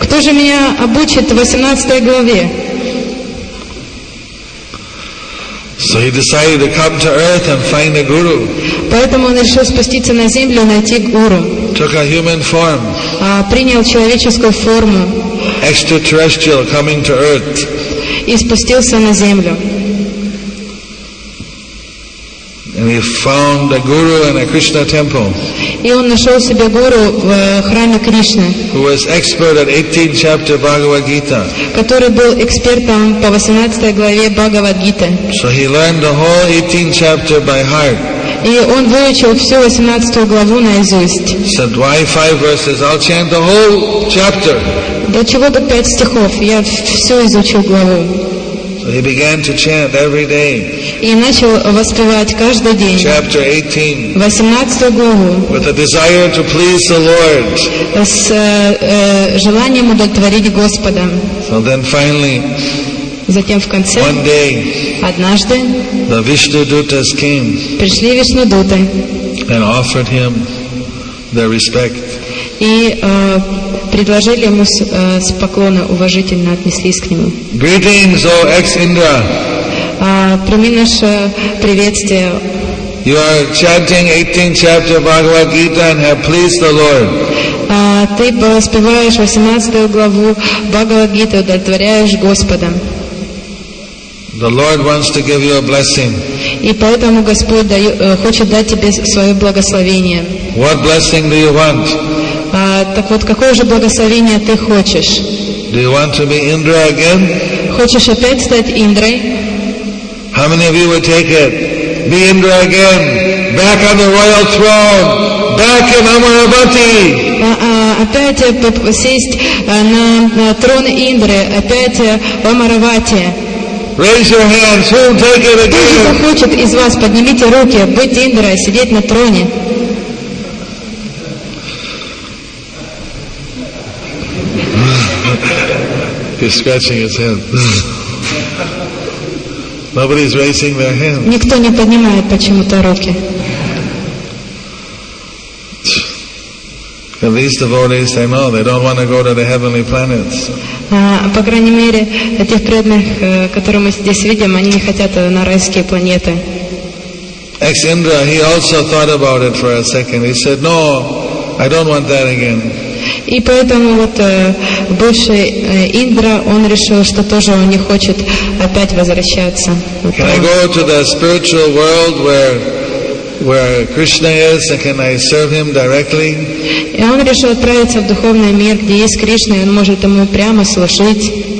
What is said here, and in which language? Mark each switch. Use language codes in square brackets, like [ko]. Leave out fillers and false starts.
[ru] Кто же меня обучит в 18 главе? [en] So he decided to come to earth and find a guru. [ru] Поэтому он решил спуститься на землю и найти гуру. [en] Took a human form. [ru] Принял человеческую форму. [en] Extraterrestrial, coming to earth. [ru] И спустился на землю. [en] And he found a guru in a Krishna temple. [ru] И он нашел себе гуру в храме Кришны. [en] Who was expert at 18 chapter Bhagavad Gita. [ru] Который был экспертом по 18 главе Бхагавад Гиты. [en] So he learned the whole 18 chapter by heart. [ru] И он выучил всю 18 главу наизусть. [en] Said, why 5 verses? I'll chant the whole chapter. [ru] Да чего тут 5 стихов? Я всю изучил главу. [en] He began to chant every day. [ru] И начал воспевать каждый день. [en] Chapter 18. [ru] 18 главу. [en] With a desire to please the Lord. [ru] С желанием удовлетворить Господа. [en] So then finally. [ru] Затем в конце. [en] One day. [ru] Однажды. [en] The Vishnu Dutas came. [ru] Пришли Вишну Дуты. [en] And offered him their respect. [ru] И предложили ему с поклона, уважительно отнеслись к нему. [en] Greetings, O ex-Indra. [ru] Прими наше приветствие. [en] You are chanting 18 chapter Bhagavad Gita and have pleased the Lord. [ru] Ты воспеваешь 18 главу Бхагавад Гиты, удовлетворяешь Господа. [en] The Lord wants to give you a blessing. [ru] И поэтому Господь хочет дать тебе свое благословение. [en] What blessing do you want? [ru] Так вот, какое же благословение ты хочешь? [en] Do you want to be Indra again? [ru] Хочешь опять стать Индрой? [en] How many of you would take it? Be Indra again, back on the royal throne, back in Amaravati. [ru] Опять сесть на трон Индры, опять в Амаравати. [en] Raise your hands. Who will take it again? [ru] Кто захочет из вас, поднимите руки, быть Индрой, сидеть на троне. [en] He's scratching his head. Nobody's raising their hand. [ru] Никто не поднимает почему-то руки. [en] At least the devotees, they know they don't want to go to the heavenly planets. [ru] По крайней мере, тех преданных, которые мы здесь видим, они не хотят на райские планеты. [en] Ex-Indra, he also thought about it for a second. He said, "No, I don't want that again." [ru] И поэтому вот бывший Индра, он решил, что тоже он не хочет опять возвращаться. [en] Can I go to the spiritual world where Krishna is, and can I serve him directly? [ru] И он решил отправиться в духовный мир, где есть Кришна, и он может ему прямо служить.